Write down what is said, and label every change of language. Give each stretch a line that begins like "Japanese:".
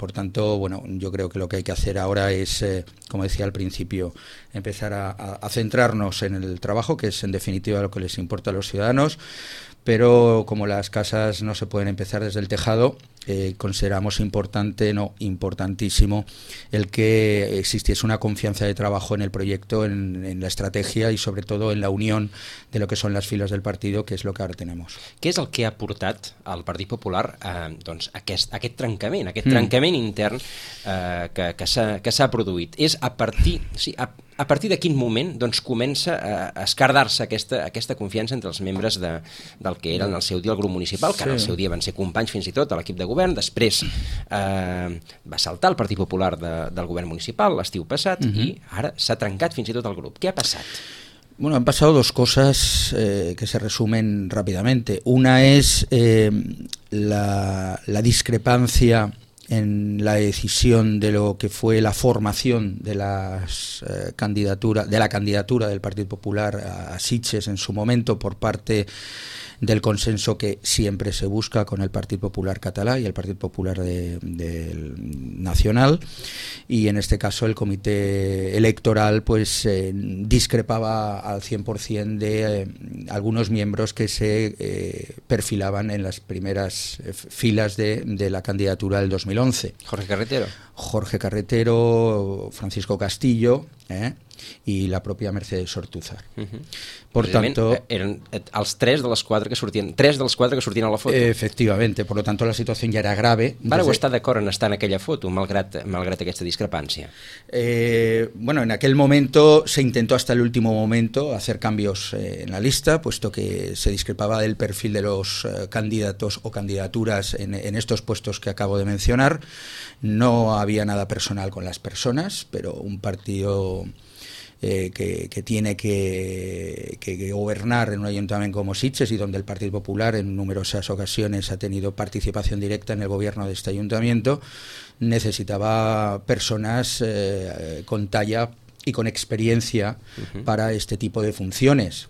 Spanish: Por tanto, bueno, yo creo que lo que hay que hacer ahora es, como decía al principio, empezar a centrarnos en el trabajo, que es en definitiva lo que les importa a los ciudadanos, pero como las casas no se pueden empezar desde el tejado, consideramos importantísimo el que existiese una confianza de trabajo en el proyecto, en la estrategia y sobre todo en la unión de lo que son las filas del partido, que es lo que ahora tenemos.
Catalan: ¿Qué es el que ha portat al Partit Popular doncs aquest trencament, aquest trencament intern que s'ha produït? És a partir de quin moment doncs comença a esquerdar-se aquesta confiança entre els membres del que era en el seu dia el grup municipal, que sí, en el seu dia van ser companys fins i tot a l'equip de govern, després va saltar el Partit Popular del govern municipal l'estiu passat, uh-huh, i ara s'ha trencat fins i tot el grup. Què ha passat?
Spanish: Bueno, han pasado dos cosas que se resumen rápidamente. Una es la discrepancia en la decisión de lo que fue la formación de la candidatura del Partido Popular a Sitges en su momento por parte del consenso que siempre se busca con el Partido Popular catalá y el Partido Popular Nacional, y en este caso el comité electoral pues discrepaba al 100% de algunos miembros que se perfilaban en las primeras filas de la candidatura del 2011. Jorge Carretero, Francisco Castillo, y la propia Mercedes Ortúzar. Uh-huh. Por tanto, eran los tres de los cuatro que
Catalan: sortien
Spanish: a la foto. Efectivamente, por lo tanto la situación ya era grave.
Catalan: ¿Vareu estar d'acord en estar en aquella foto, malgrat aquesta discrepància?
Spanish: Bueno, en aquel momento se intentó hasta el último momento hacer cambios en la lista, puesto que se discrepaba del perfil de los candidatos o candidaturas en estos puestos que acabo de mencionar. No había nada personal con las personas, pero un partido que tiene que gobernar en un ayuntamiento como Sitges, y donde el Partido Popular en numerosas ocasiones ha tenido participación directa en el gobierno de este ayuntamiento, necesitaba personas con talla y con experiencia, uh-huh, para este tipo de funciones.